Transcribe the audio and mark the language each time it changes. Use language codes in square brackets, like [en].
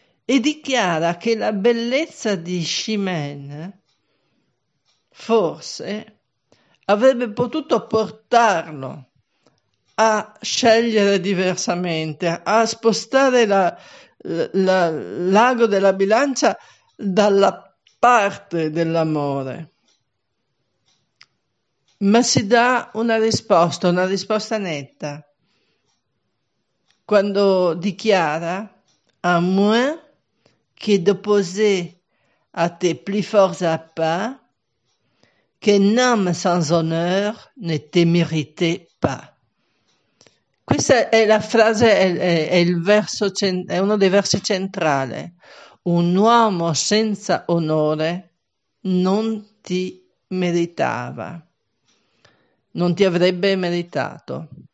[it] E dichiara che la bellezza di Chimène forse avrebbe potuto portarlo a scegliere diversamente, a spostare l'ago della bilancia dalla parte dell'amore. Ma si dà una risposta netta. Quando dichiara [fr] à moins que d'opposer à tes plus forts appas qu'un homme sans honneur ne te méritait pas. [it] Questa è la frase, è il verso, è uno dei versi centrali. Un uomo senza onore non ti meritava. Non ti avrebbe meritato.